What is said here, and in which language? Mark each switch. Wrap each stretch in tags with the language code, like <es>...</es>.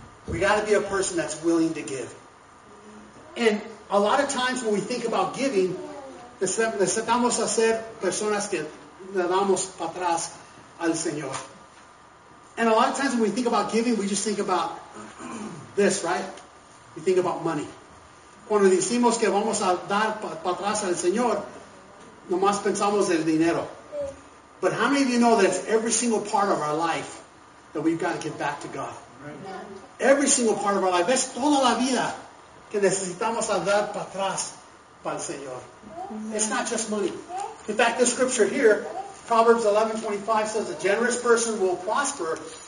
<en>We got to be a person that's willing to give. And a lot of times when we think about giving,</en> <es>necesitamos hacer personas que le damos para atrás al Señor.</es> <en>And a lot of times when we think about giving, we just think about this, right? We think about money.</en> <es>Cuando decimos que vamos a dar para atrás al Señor, nomás pensamos del dinero.</es> <en>But how many of you know that it's every single part of our life that we've got to give back to God? Right. Every single part of our life.</en> <es>Es toda la vida que necesitamos dar para atrás para el Señor. Mm-hmm.</es> <en>It's not just money. In fact, the scripture here, Proverbs 11:25 says, a generous person will prosper.</en>